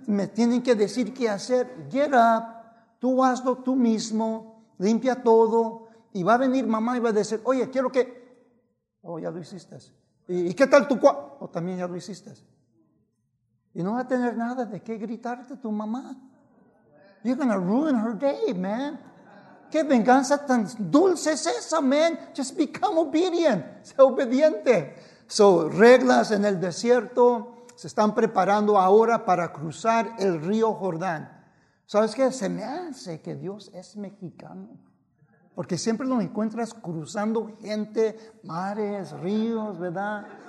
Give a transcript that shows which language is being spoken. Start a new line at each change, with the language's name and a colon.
Spanish: Me tienen que decir qué hacer.
English: Get up,
Spanish: tú hazlo tú mismo, limpia todo. Y va a venir mamá y va a decir, oye, quiero que... Oh, ya lo hiciste. ¿Y qué tal tu cuarto? Oh, también ya lo hiciste. Y no va a tener nada de qué gritarte tu mamá.
English: You're going to ruin her day, man.
Spanish: ¿Qué venganza tan dulce es esa, man?
English: Just become obedient.
Spanish: Sea obediente. So, reglas en el desierto. Se están preparando ahora para cruzar el río Jordán. ¿Sabes qué? Se me hace que Dios es mexicano. Porque siempre lo encuentras cruzando gente, mares, ríos, ¿verdad?